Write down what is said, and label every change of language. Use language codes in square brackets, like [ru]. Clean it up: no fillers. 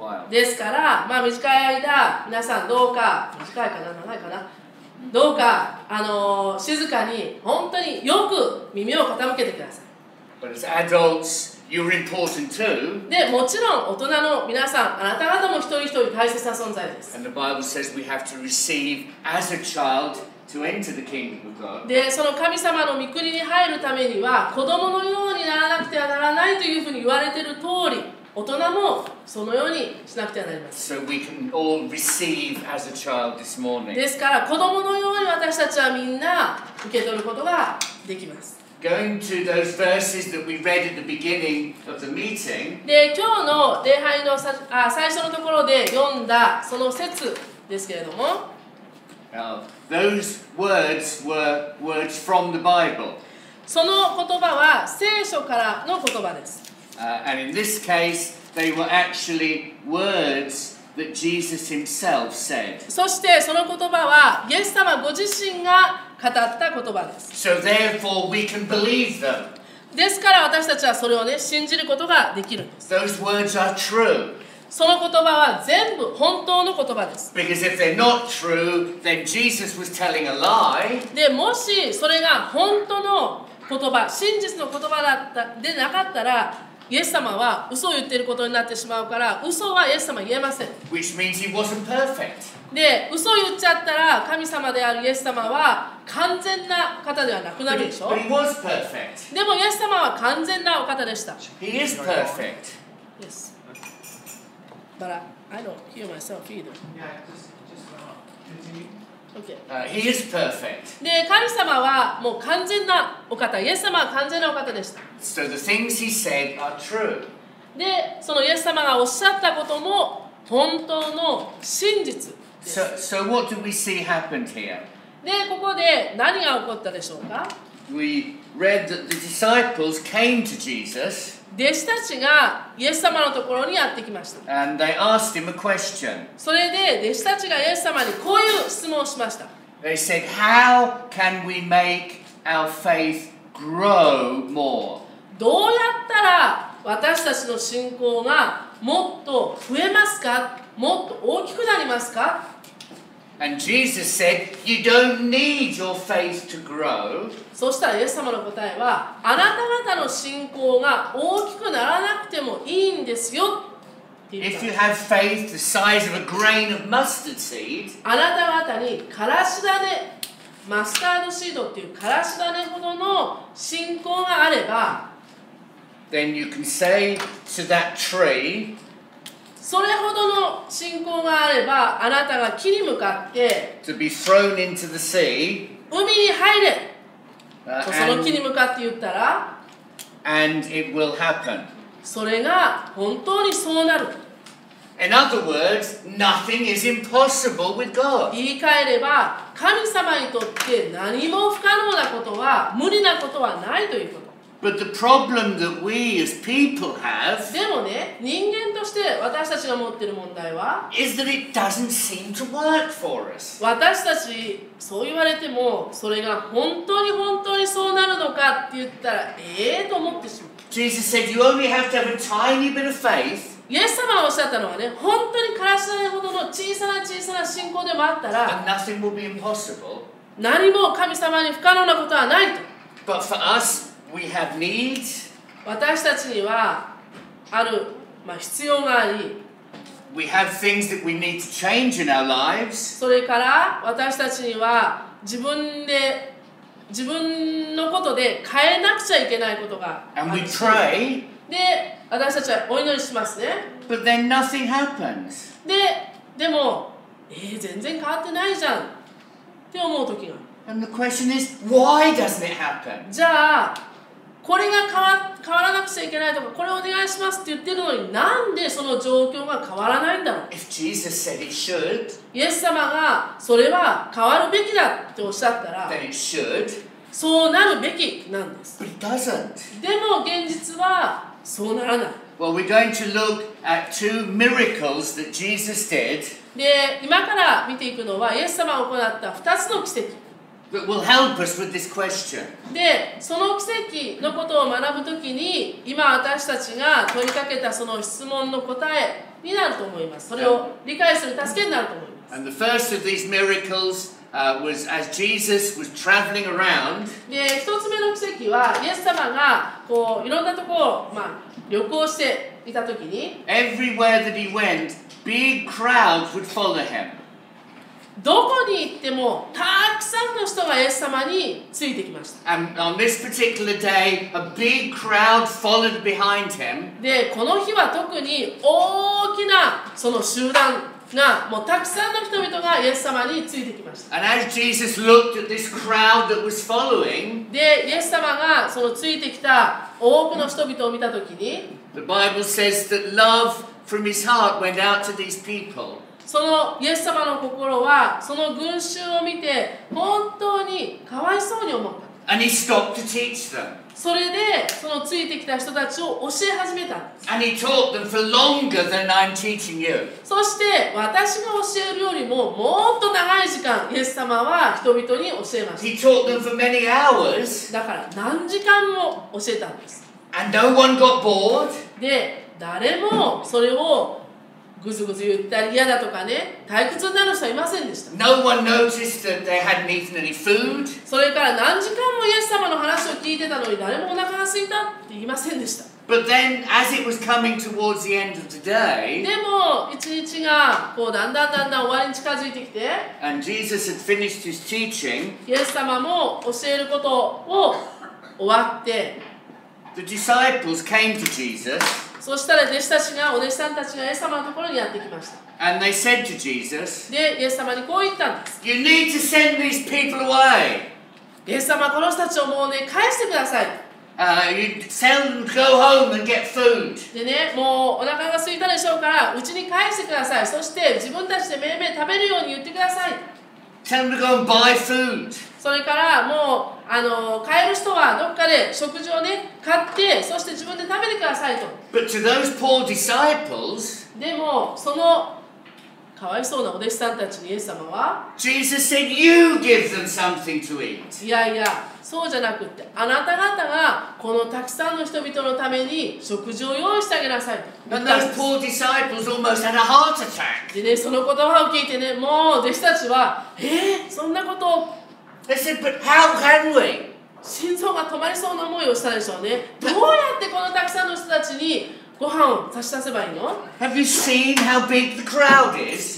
[ja] ですから、まあ、短い間、皆さんどうか、短いかな、長いかな、どうか、静かに、本当によく耳を傾けてください。 [en] But as adults, you're important too. [ja] で、もちろん大人の皆さん、あなた方も一人一人大切な存在です。 [en] And the Bible says we have to receive as a child. To enter the kingdom of God. [ja] で、その神様の御国に入るためには、子供のようにならなくてはならないというふうに言われている通り、大人もそのようにしなくてはなりません。 [en] So we can all receive as a child this morning. [ja] ですから、子供のように私たちはみんな受け取ることができます。 [en] Going to those verses that we read at the beginning of the meeting. [ja] で、今日の礼拝の最初のところで読んだその節ですけれども、 [en] Those words were words from the Bible. [ja] その言葉は聖書からの言葉です。 [en] And in this case, they were actually words that Jesus himself said. [ja] そしてその言葉はイエス様ご自身が語った言葉です。 [en] So therefore, we can believe them. [ja] ですから私たちはそれをね、信じることができるんです。 [en] Those words are true. [ja] その言葉は全部本当の言葉です。 [en] Because if they're not true, then Jesus was telling a lie. [ja] で、もしそれが本当の言葉、真実の言葉だったでなかったら、イエス様は嘘を言っていることになってしまうから、嘘はイエス様言えません。 [en] Which means he wasn't perfect. [ja] で、嘘を言っちゃったら、神様であるイエス様は完全な方ではなくなるでしょ。 [en] But he was perfect. [ja] でもイエス様は完全なお方でした。 [en] He is perfect. Yes. But I don't hear myself either. Yeah, just continue. Okay. He is perfect. [ja] で、神様はもう完全なお方。イエス様は完全なお方でした。 [en] So the things he said are true. [ja] で、そのイエス様がおっしゃったことも本当の真実です。 [en] So what do we see happened here? [ja] で、ここで何が起こったでしょうか? [en] We read that the disciples came to Jesus. [ja] 弟子たちがイエス様のところにやってきました。 [en] And they asked him a question. [ja] それで弟子たちがイエス様にこういう質問をしました。 [en] They said, How can we make our faith grow more? [ja] どうやったら私たちの信仰がもっと増えますか？もっと大きくなりますか？ [en] And Jesus said, you don't need your faith to grow. [ja] そしたらイエス様の答えは、あなた方の信仰が大きくならなくてもいいんですよ。 [en] If you have faith the size of a grain of mustard seed, [ja] あなた方にからし種、マスタードシードっていうからし種ほどの信仰があれば、 [en] Then you can say to that tree, [ja] それほどの信仰があれば、あなたが木に向かって、 [en] to be thrown into the sea, [ja] 海に入れ、その木に向かって言ったら、 [en] and it will happen. [ja] それが本当にそうなる。 [en] In other words, nothing is impossible with God. [ja] 言い換えれば、神様にとって何も不可能なことは、無理なことはないということ。 [en] But the problem that we as people have, [ja] でもね、人間として私たちが持っている問題は、 [en] is that it doesn't seem to work for us. [ja] 私たち、そう言われても、それが本当に本当にそうなるのかって言ったら、と思ってしまう。 [en] Jesus said, you only have to have a tiny bit of faith. [ja] イエス様がおっしゃったのはね、本当にからしないほどの小さな小さな信仰でもあったら、 [en] and nothing will be impossible. [ja] 何も神様に不可能なことはないと。 [en] But for us,We have needs. [ja] 私たちにはある、必要があり。 [en] We have things that we need to change in our lives. [ja] それから私たちには自分のことで変えなくちゃいけないことがある。 [en] And we pray. [ja] で、私たちはお祈りしますね。 [en] But then nothing happens. [ja] でも、全然変わってないじゃんって思うときが。 [en] And the question is, why doesn't it happen? [ja] じゃあこれが変わらなくちゃいけないとか、これお願いしますって言ってるのに、なんでその状況が変わらないんだろう。 [en] If Jesus said it should, [ja] イエス様がそれは変わるべきだっておっしゃったら、 [en] then it should. [ja] そうなるべきなんです。 [en] But it doesn't. [ja] でも現実はそうならない。 [en] Well, we're going to look at two miracles that Jesus did. [ja] で、今から見ていくのは、イエス様が行った二つの奇跡。 [en] That will help us with this question. [ja] で、その奇跡のことを学ぶときに、今私たちが問いかけたその質問の答えになると思います。それを理解する助けになると思います。 [en] And the first of these miracles, was as Jesus was traveling around. [ja] で、一つ目の奇跡は、イエス様がこういろんなところを、旅行していたときに、 [en] Everywhere that he went, big crowds would follow him. [ja] どこに行ってもたくさんの人がイエス様についてきました。 [en] And on this particular day, a big crowd followed behind him. [ja] で、この日は特に大きなその集団がもうたくさんの人々がイエス様についてきました。 [en] And as Jesus looked at this crowd that was following, [ja] で、イエス様がそのついてきた多くの人々を見たときに、 [en] The Bible says that love from his heart went out to these people. [ja] そのイエス様の心はその群衆を見て本当にかわいそうに思った。 [en] And he stopped to teach them. [ja] それでそのついてきた人たちを教え始めた。 [en] And he taught them for longer than I'm teaching you. [ja] そして私が教えるよりももっと長い時間イエス様は人々に教えました。 [en] He taught them for many hours. [ja] だから何時間も教えたんです。 [en] And no one got bored. [ja] で、誰もそれをぐずぐず言ったり嫌だとかね、退屈になる人はいませんでした。 [en] No one noticed that they hadn't eaten any food. [ja] それから何時間もイエス様の話を聞いてたのに誰もお腹が空いたって言いませんでした。 [en] But then, as it was coming towards the end of the day, [ja] でも一日がこうだんだん終わりに近づいてきて、 [en] and Jesus had finished his teaching, [ja] イエス様も教えることを終わって、 [en] the disciples came to Jesus. [ja] そしたら弟子たちが、お弟子さんたちがイエス様のところにやってきました。 [en] And they said to Jesus, [ja] で、イエス様にこう言ったんです。 [en] You need to send these people away. [ja] イエス様、この人たちをもうね、返してください。 [en] You send them go home and get food. [ja] でね、もうお腹が空いたでしょうから、うちに返してください。そして自分たちでめいめい食べるように言ってください。 [en] Tell them to go and buy food. [ja] それからもう、買える人はどっかで食事をね、買って、そして自分で食べてくださいと。 [en] But to those poor disciples, [ja] でも、そのかわいそうなお弟子さんたちにイエス様は、 [en] Jesus said, you give them something to eat. [ja] いやいや、そうじゃなくて、あなた方がこのたくさんの人々のために食事を用意してあげなさい。でね、その言葉を聞いてね、もう弟子たちは、そんなこと。 [en] They said, but how can we? [ja] 心臓が止まりそうな思いをしたでしょうね。どうやってこのたくさんの人たちにご飯を差し出せばいいの？ [en] Have you seen how big the crowd is?